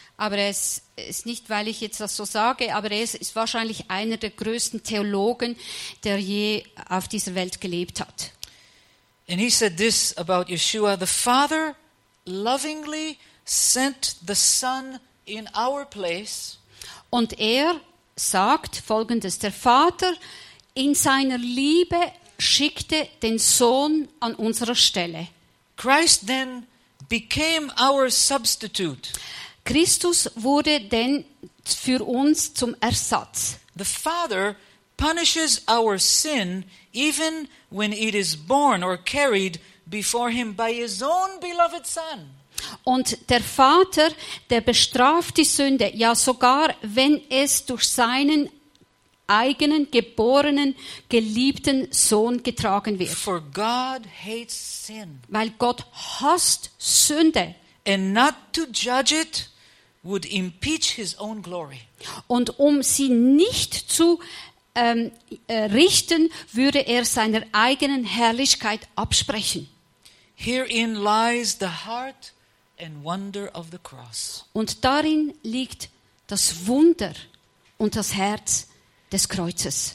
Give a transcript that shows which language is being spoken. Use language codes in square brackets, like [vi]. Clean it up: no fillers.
[de] Aber es ist nicht, weil ich jetzt das so sage, aber er ist wahrscheinlich einer der größten Theologen, der je auf dieser Welt gelebt hat. [en] And he said this about Yeshua: the Father lovingly sent the Son in our place. [de] Und er sagt Folgendes: der Vater in seiner Liebe schickte den Sohn an unserer Stelle. [en] Christ then became our substitute. [de] Christus wurde denn für uns zum Ersatz. [en] The Father punishes our sin even when it is born or carried before him by his own beloved Son. [de] Und der Vater, der bestraft die Sünde, ja sogar wenn es durch seinen eigenen, geborenen, geliebten Sohn getragen wird. [en] For God hates sin. [de] Weil Gott hasst Sünde. [en] And not to judge it would impeach his own glory. [de] Und um sie nicht zu richten, würde er seiner eigenen Herrlichkeit absprechen. [en] Herein lies the heart and wonder of the cross. [de] Und darin liegt das Wunder und das Herz des Kreuzes.